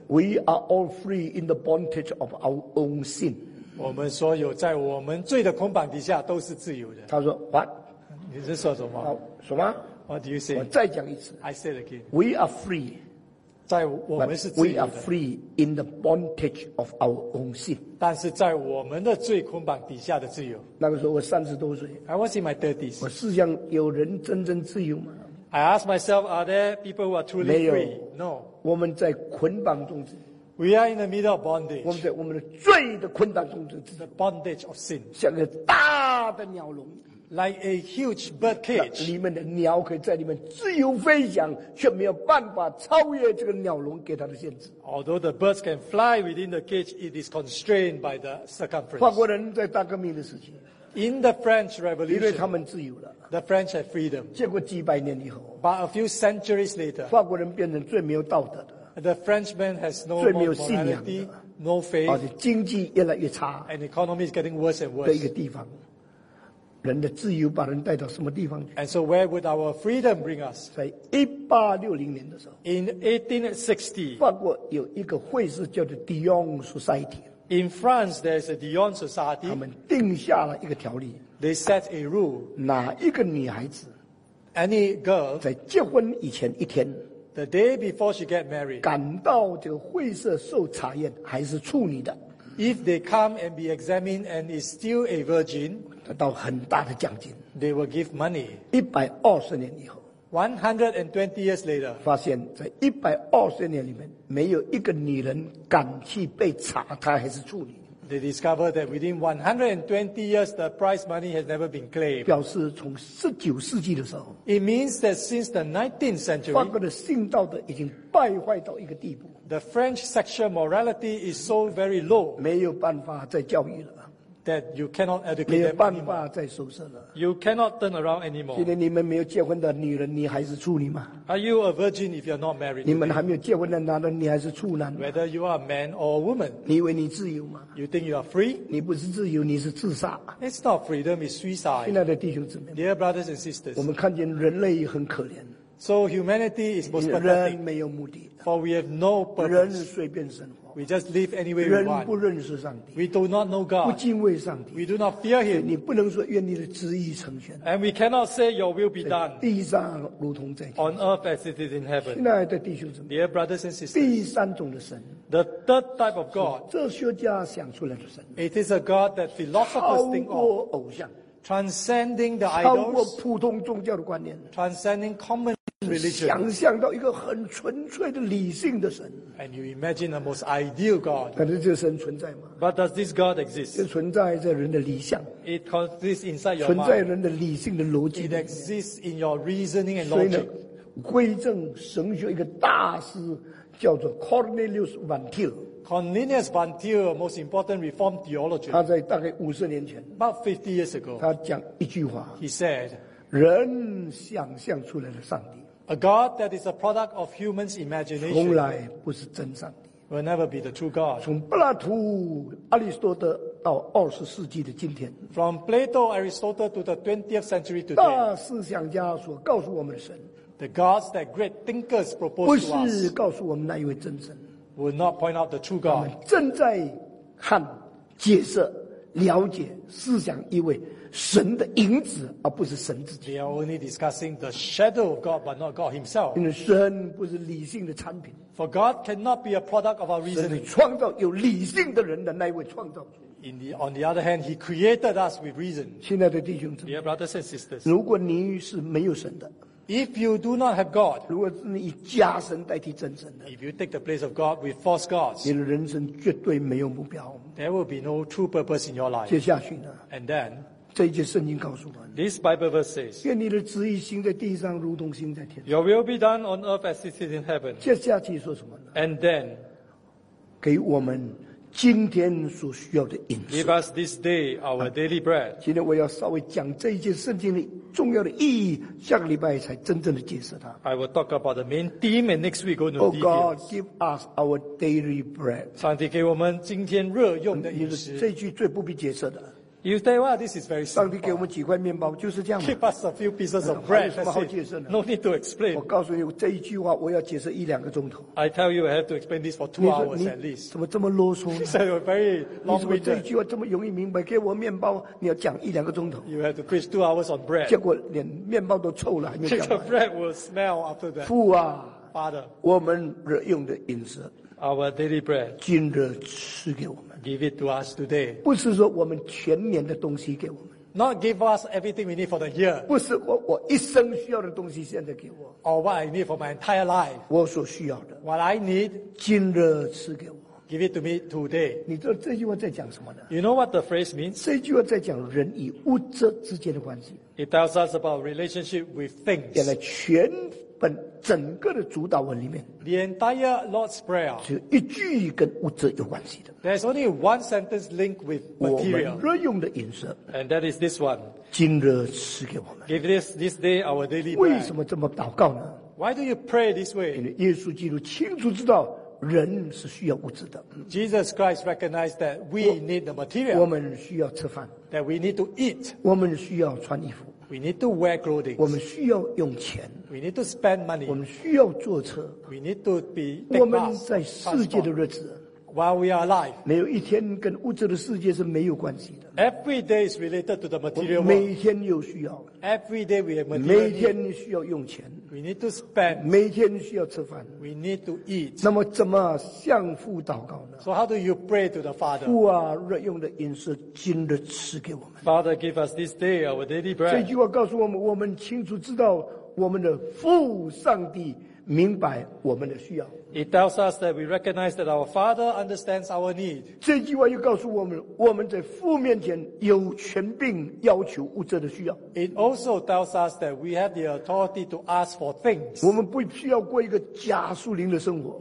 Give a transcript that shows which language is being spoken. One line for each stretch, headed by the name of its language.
English: "We are all free in the bondage of our own sin."
Chinese: 我们所有在我们罪的捆绑底下都是自由的。他说 ，
English: What？
Chinese: 你是说什么？什么
English: ？What do you say？
Chinese: 我再讲一次。
English: I said again, "We are free."
Chinese: 在我们是自由的。
English: But we are free in the bondage of our own sin.
Chinese: 但是在我们的罪捆绑底下的自由。那个时候我30多岁。
English: I was in my 30s.
Chinese: 我试想有人真正自由吗
English: ？I ask myself, are there people who are truly free? No.
Chinese: 我们在捆绑中之。
English: We are in the middle of bondage.
Chinese: 我们在我们的罪的捆绑中之。
English: The bondage of sin.
Chinese: 像个大的鸟笼。
English: Like a huge bird cage,
Chinese: 里面的鸟可以在里面自由飞翔，却没有办法超越这个鸟笼给它的限制。
English: Although the birds can fly within the cage, it is constrained by the circumference.
Chinese: 法国人在大革命的时期
English: ，In the French Revolution,
Chinese: 因为他们自由了
English: ，The French had freedom.
Chinese: 结果几百年以后
English: ，But a few centuries later,
Chinese: 法国人变成最没有道德的
English: ，The Frenchman has no morality,
Chinese: 最没有信仰的
English: ，No faith,
Chinese: 而且经济越来越差
English: ，And economy is getting worse and worse.
Chinese: 的一个地方。人的自由把人带到什么地方去
English: ？And so where would our freedom bring us？
Chinese: 在1860年的时候
English: ，In 1860，
Chinese: 法国有一个会士叫做 Dion Society。
English: In France, there's a Dion Society.
Chinese: 他们定下了一个条例。
English: They set a rule.
Chinese: 哪一个女孩子
English: ，any girl，
Chinese: 在结婚以前一天
English: ，the day before she get married，
Chinese: 赶到这个会社受查验还是处女的
English: ，if they come and be examined and is still a virgin，
Chinese: 得到很大的奖金。
English: They will give money.
Chinese: 120年以后
English: ，120 years later，
Chinese: 发现在120年里面没有一个女人敢去被查她还是处女。
English: They discovered that within 120 years, the prize money has never been claimed.
Chinese: 表示从19世纪的时候
English: ，It means that since the 19th century,
Chinese: 法国的信道德已经败坏到一个地步。
English: The French sexual morality is so very low.
Chinese: 没有办法再教育了。
English: That you cannot educate.
Chinese: 没有办法再收拾了。
English: You cannot turn around anymore.
Chinese: 今天你们没有结婚的女人，你还是处女吗
English: ？Are you a virgin if you're not married?
Chinese: 你们还没有结婚的男人，你还是处男
English: ？Whether you are a man or a woman.
Chinese: 你以为你自由吗？
English: You think you are free?
Chinese: 你不是自由，你是自杀。
English: It's not freedom, it's suicide.
Chinese: 亲爱的弟兄姊妹
English: ，Dear brothers and sisters,
Chinese: 我们看见人类很可怜。
English: So humanity is most pathetic.
Chinese: 人没有目的。
English: For we have no purpose.
Chinese: 人随便生活。
English: We just live anywhere we want.
Chinese: 人不认识上帝。
English: We do not know God.
Chinese: 不敬畏上帝。
English: We do not fear Him.
Chinese: 你不能说愿你的旨意成全。
English: And we cannot say Your will be done.
Chinese: 地上如同在天。
English: On earth as it is in heaven.
Chinese: 亲爱的弟兄姊妹
English: ，Dear brothers and sisters.
Chinese: 第三种的神。
English: The third type of God,
Chinese: 哲学家想出来的神。
English: It is a God that philosophers think of, transcending the idols,
Chinese: 超过普通宗教的观念
English: transcending common religion,
Chinese: 想象到一个很纯粹的理性的神。
English: And you imagine the most ideal God.
Chinese: 但是这个神存在吗
English: ？But does this God exist?
Chinese: 就存在在人的理想。
English: It exists inside your mind.
Chinese: 存在人的理性的逻辑。
English: It exists in your reasoning and logic.
Chinese: 所以呢，归正神学一个大师。叫做 Cornelius Van Til。
English: Cornelius Van Til, most important Reformed theologian.
Chinese: 他在大概50年前
English: About 50 years ago.
Chinese: 他讲一句话。
English: He said,
Chinese: 人想象出来的上帝。
English: A God that is a product of human's imagination.
Chinese: 从来不是真上帝。
English: Will never be the true God.
Chinese: 从柏拉图、阿里斯多德到20世纪的今天。
English: From Plato, Aristotle to the 20th century today.
Chinese: 大思想家所告诉我们的神。
English: The gods that great thinkers propose to us
Chinese: 不是告诉我们那一位真神
English: will not point out the true God.
Chinese: 我们正在看、解释、了解、思想一位神的影子，而不是神自己。
English: We are only discussing the shadow of God, but not God Himself.
Chinese: 因为神不是理性的产品。
English: For God cannot be a product of our reasoning.
Chinese: 神创造有理性的人的那一位创造主。
English: On the other hand, He created us with reason.
Chinese: 亲爱的弟兄姊妹
English: ，Dear brothers and sisters，
Chinese: 如果你是没有神的。
English: If you do not have God,
Chinese: 如果你以假神代替真神的
English: ，If you take the place of God with false gods,
Chinese: 你的人生绝对没有目标
English: ，There will be no true purpose in your life.
Chinese: 接下去呢
English: ？And then,
Chinese: 这一节圣经告诉我们
English: ，This Bible verse says,
Chinese: 愿你的旨意行在地上，如同行在天上。
English: Your will be done on earth as it is in heaven.
Chinese: 接下去说什么呢
English: ？And then,
Chinese: 给我们今天所需要的饮食。
English: Give us this day our daily bread.
Chinese: 今天我要稍微讲这一节圣经的。重要的意义，下个礼拜才真正的解释它。
English: I will talk about the main theme, and next week go into details. Oh God, give us our daily bread.
Chinese: 上帝给我们今天热用的饮食。这句最不必解释的。
English: You say, "Well, this is very simple."
Chinese: 上帝给我们几块面包，就是这样。
English: Keep us a few pieces of bread.
Chinese: 还有什么好解释呢
English: ？No need to explain.
Chinese: 我告诉你，这一句话我要解释一两个钟头。
English: I tell you, I have to explain this for 2 hours at least.
Chinese: 怎么这么啰嗦呢
English: ？You said you're very long-winded.
Chinese: 你怎么这一句话这么容易明白？给我面包，你要讲一两个钟头。
English: You have to preach 2 hours on bread.
Chinese: 结果连面包都臭了，还没讲完。
English: The bread will smell after that.
Chinese: 父啊
English: ，Father，
Chinese: 我们日用的饮食
English: ，Our daily bread，
Chinese: 今日赐给我们。
English: Give it to us today.
Chinese: 不是说我们全年的东西给我们。
English: Not give us everything we need for the year.
Chinese: 不是我一生需要的东西现在给我。
English: Or what I need for my entire life.
Chinese: 我所需要的。
English: What I need.
Chinese: 今日赐给我。
English: Give it to me today.
Chinese: 你知道这句话在讲什么呢
English: ？You know what the phrase means?
Chinese: 这句话在讲人与物质之间的关系。
English: It tells us about relationship with things.
Chinese: 原来全本整个的主导文里面
English: ，The entire Lord's Prayer
Chinese: 只有一句跟物质有关系的。
English: There's only one sentence linked with material.
Chinese: 我们日用的饮食
English: ，And that is this one.
Chinese: 今日赐给我们。
English: Give this day our daily bread.
Chinese: 为什么这么祷告呢
English: ？Why do you pray this way?
Chinese: 因为耶稣基督清楚知道人是需要物质的。
English: Jesus Christ recognized that we need the material.
Chinese: 我们需要吃饭。
English: That we need to eat.
Chinese: 我们需要穿衣服。
English: We need to wear clothing.
Chinese: 我们需要用钱。
English: We need to spend money.
Chinese: 我们需要坐车。
English: We need to be.
Chinese: 我们在世界的日子。
English: while we are alive.
Chinese: 没有一天跟物质的世界是没有关系的。
English: Every day is related to the material world.
Chinese: 每天有需要。
English: Every day we have material.
Chinese: 每天需要用钱。
English: We need to spend.
Chinese: 每天需要吃饭。
English: We need to eat.
Chinese: 那么怎么向父祷告呢
English: ？So how do you pray to the Father?
Chinese: 父啊，日用的饮食今日赐给我们。
English: Father, give us this day our daily bread.
Chinese: 这句话告诉我们，我们清楚知道我们的父上帝。明白我们的需要。
English: It tells us that we recognize that our Father understands our need.
Chinese: 这句话又告诉我们，我们在父面前有权柄要求物质的需要。
English: It also tells us that we have the authority to ask for things.
Chinese: 我们不需要过一个假属灵的生活。